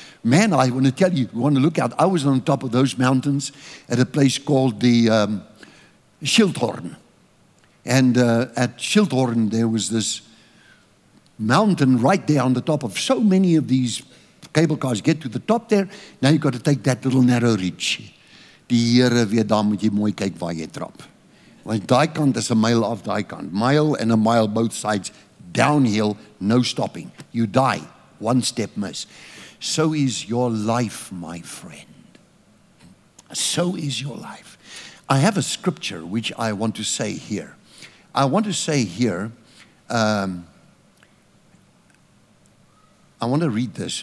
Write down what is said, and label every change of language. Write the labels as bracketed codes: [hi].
[en] Man, I want to tell you, you want to look out, I was on top of those mountains at a place called the Schildhorn. And at Schildhorn, there was this mountain right there on the top of so many of these cable cars. Get to the top there, now you've got to take that little narrow ridge. [af] Die Here, weer daar moet jy mooi kyk waar jy trap. Want daai kant is [en] a mile off [af] daai kant. [en] Mile and a mile both sides. Downhill, no stopping. You die. One step miss. So is your life, my friend. So is your life. I have a scripture which I want to say here. I want to say here, I want to read this.